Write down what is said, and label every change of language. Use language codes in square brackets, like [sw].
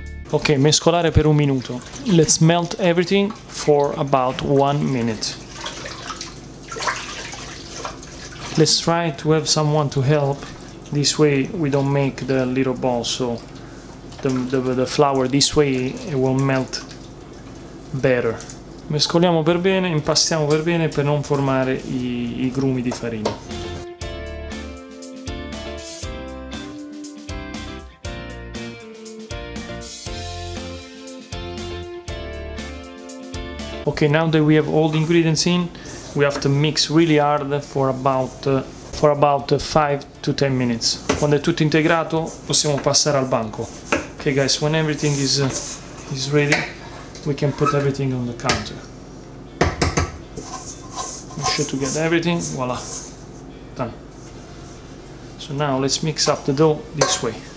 [it] Ok, mescolare per un minuto. [en] Let's melt everything for about 1 minute. Let's try to have someone to help. This way we don't make the little ball, so the flour this way it will melt better. [it] Mescoliamo per bene, impastiamo per bene per non formare i grumi di farina. [en] Okay, now that we have all the ingredients in, we have to mix really hard for about 5 to 10 minutes. [it] Quando è tutto integrato, possiamo passare al banco. [en] Okay, guys, when everything is ready, we can put everything on the counter. Make sure to get everything, voila, done. So now let's mix up the dough this way.